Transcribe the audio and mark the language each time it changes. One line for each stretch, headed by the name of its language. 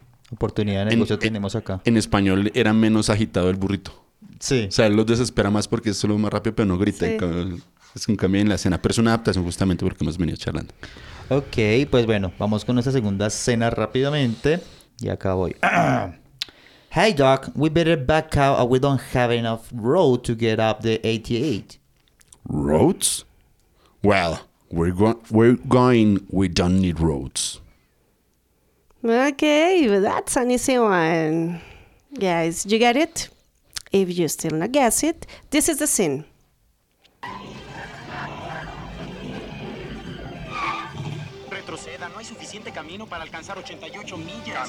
Spanish: Oportunidad de negocio tenemos acá. En español era menos agitado el burrito. Sí. O sea, él los desespera más porque es solo más rápido, pero no grita. Sí. Es un cambio en la escena, pero es una adaptación justamente porque hemos venido charlando. Ok, pues bueno, vamos con nuestra segunda escena rápidamente. Y acá voy.
English: Hey, Doc, we better back out or we don't have enough road to get up the 88. Roads? Well, we're going, we don't need roads. Okay, well, that's an easy one. Guys, you get it? If you still not guess it, this is the scene.
Spanish: Retroceda, no hay suficiente camino para alcanzar 88 millas.